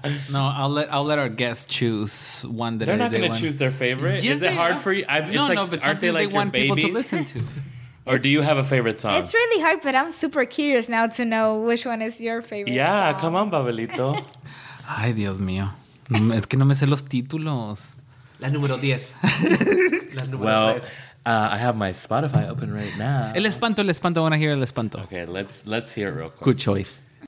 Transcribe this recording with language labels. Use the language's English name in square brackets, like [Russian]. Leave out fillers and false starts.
[English] No, I'll let our guests choose one that they're not going to choose their favorite. Yes, is it hard for you? No, like, no. But aren't they like want people to listen to? Or do you have a favorite song? It's really hard, but I'm super curious now to know which one is your favorite. Yeah, song. Come on, Babelito. [Spanish] Ay, Dios mío, es que no me sé los títulos. La número 10. [English] Well, I have my Spotify open right now. El espanto. I want to hear el espanto. Okay, let's hear it real quick. Good choice.